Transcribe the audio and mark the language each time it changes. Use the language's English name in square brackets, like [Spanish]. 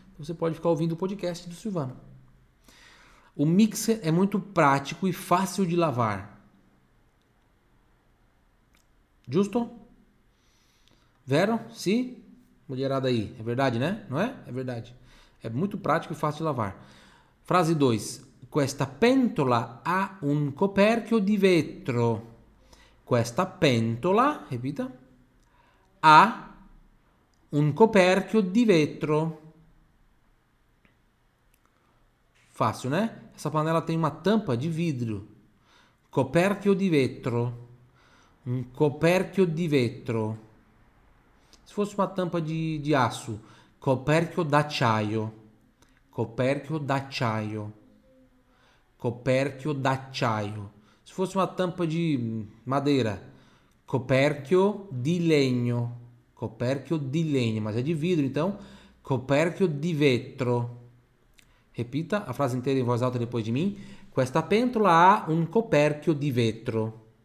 [Portuguese] Você pode ficar ouvindo o podcast do Silvano. O mixer é muito prático e fácil de lavar. Justo? Vero? Sim? Mulherada aí, é verdade, né? Não é? É verdade. É muito prático e fácil de lavar. Frase 2. [Italian] Questa pentola ha un coperchio di vetro. Questa pentola, repita, ha un coperchio di vetro. Facile, né? [Portuguese] Essa panela tem uma tampa di vidro. [Italian] Coperchio di vetro. Un coperchio di vetro. [Portuguese] Se fosse uma tampa de aço, coperchio d'acciaio. [Italian] Coperchio d'acciaio. Coperchio d'acciaio. [Portuguese] Se fosse uma tampa de madeira, [Italian] coperchio di legno. Coperchio di legno, [Portuguese] mas é de vidro, então [Italian] coperchio di vetro. [Portuguese] Repita a frase inteira em voz alta depois de mim. [Italian] Questa pentola ha un coperchio di vetro.